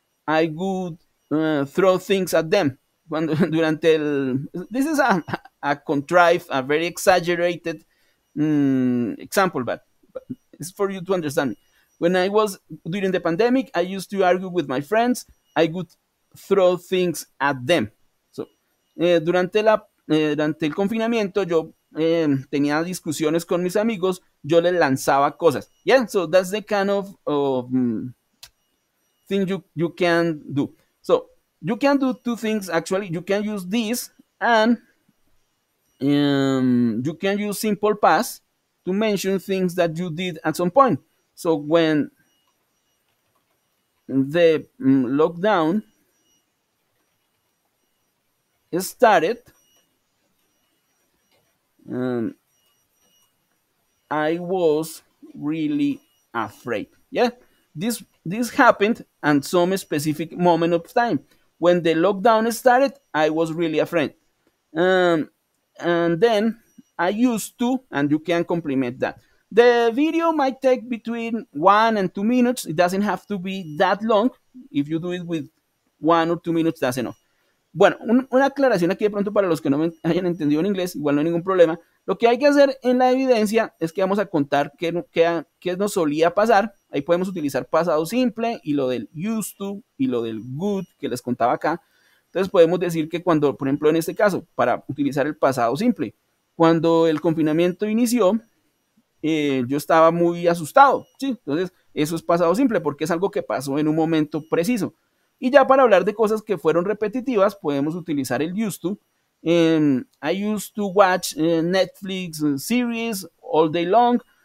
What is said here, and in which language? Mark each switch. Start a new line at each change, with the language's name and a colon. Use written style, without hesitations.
English: I would throw things at them. This is a contrived, a very exaggerated example, but it's for you to understand. When I was during the pandemic, I used to argue with my friends. I would throw things at them.
Spanish: So durante el confinamiento, yo tenía discusiones con mis amigos. Yo les lanzaba cosas.
English: Yeah, so that's the kind of thing you can do. So you can do two things, actually. You can use this, and you can use simple past to mention things that you did at some point. So when the lockdown started, I was really afraid. Yeah, this happened at some specific moment of time. When the lockdown started, I was really afraid. And then I used to, and you can complement that. The video might take between 1 and 2 minutes. It doesn't have to be that long. If you do it with 1 or 2 minutes, that's enough.
Spanish: Bueno, una aclaración aquí de pronto para los que no me hayan entendido en inglés, igual no hay ningún problema. Lo que hay que hacer en la evidencia es que vamos a contar qué nos solía pasar. Ahí podemos utilizar pasado simple y lo del used to y lo del good que les contaba acá. Entonces podemos decir que cuando, por ejemplo, en este caso, para utilizar el pasado simple, cuando el confinamiento inició, yo estaba muy asustado, ¿sí? Entonces eso es pasado simple porque es algo que pasó en un momento preciso. Y ya para hablar de cosas que fueron repetitivas, podemos utilizar el used to.
English: I used to watch Netflix series all day long.